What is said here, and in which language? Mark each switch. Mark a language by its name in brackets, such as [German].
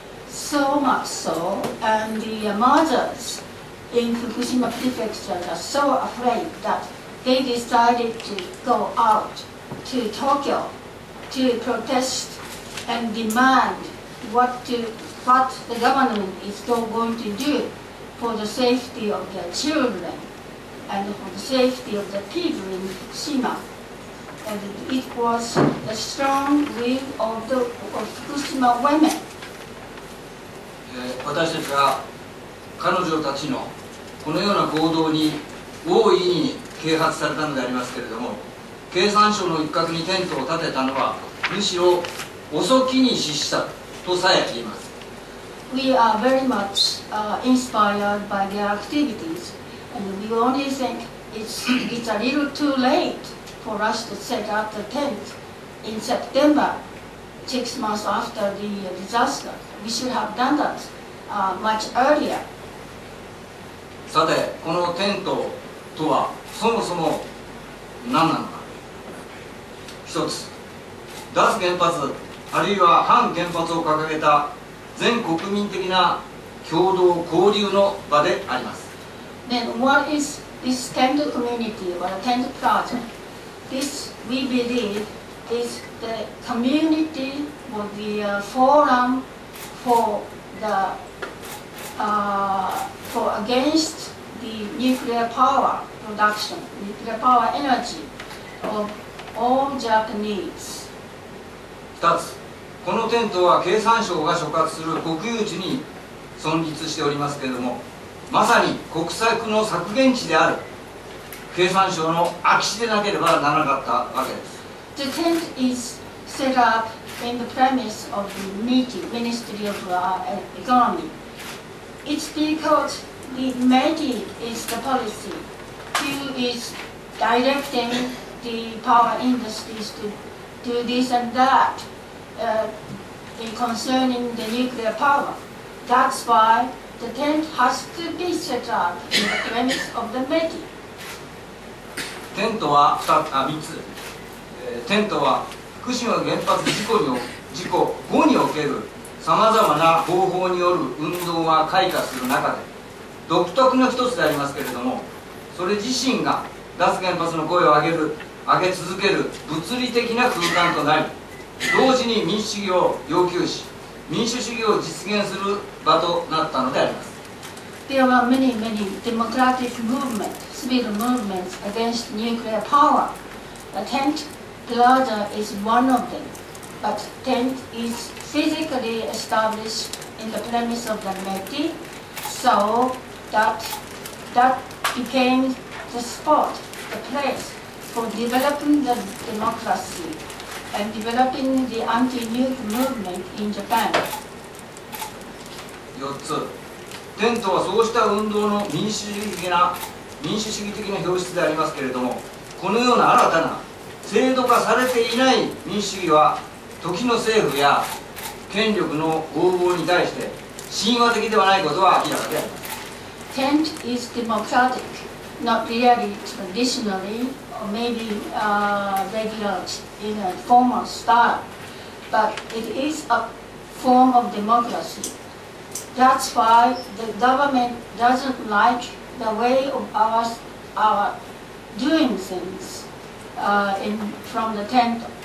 [English] So much so, and the mothers in Fukushima Prefecture are so afraid that they decided to go out to Tokyo to protest and demand what the government is still going to do for the safety of their children and for the safety of the people in Fukushima. And it was the strong will of the Fukushima women. [Japanese] 私たちは彼女たちのこのような行動に大いに啓発されたのでありますけれども、経産省の一角にテントを建てたのはむしろ遅きに失したとさえ言います。 [English] We are very much、inspired by their activities and we only think it's a little too late for us to set up the tent in September, 6 months after the disaster. We should have done that、much earlier. [Japanese] さて、このテントとはそもそも何なのか。一つ、脱原発あるいは反原発を掲げた全国民的な共同交流の場であります。 [English] Then what is this tent community or tent project? This we believe is the community or the forum for the、for against the nuclear power production, nuclear power energy of all Japanese. [Japanese] 二つ、このテントは経産省が所轄する国有地に存立しておりますけれども、まさに国策の削減地である経産省の空き地でなければならなかったわけです。 [English] The tent is set up in the premise of the MITI, Ministry of Economy. It's because the MITI is the policy who is directing the power industries to do this and that、concerning the nuclear power. That's why the tent has to be set up in the premise of the MITI. [Japanese] テントは3つ、テントは福島原発事故後におけるさまざまな方法による運動が開花する中で独特の一つでありますけれども、それ自身が脱原発の声を上げ続ける物理的な空間となり、同時に民主主義を要求し民主主義を実現する場となったのであります。 [English] There are many, many democratic movements, civil movements against nuclear power. The tent plaza is one of them, but tent is physically established in the premise of the METI, so that became the spot, the place for developing the democracy and developing the anti-nuke movement in Japan. [Japanese] 4つ、テントはそうした運動の民主主義的な表出でありますけれども、このような新たな制度化されていない民主主義は時の政府や権力の横暴に対して親和的ではないことは明らかで、 [English] テント is democratic, not really traditionally or maybe、regular in a formal style, but it is a form of democracy. That's why the government doesn't like the way of our doing things、from the tent.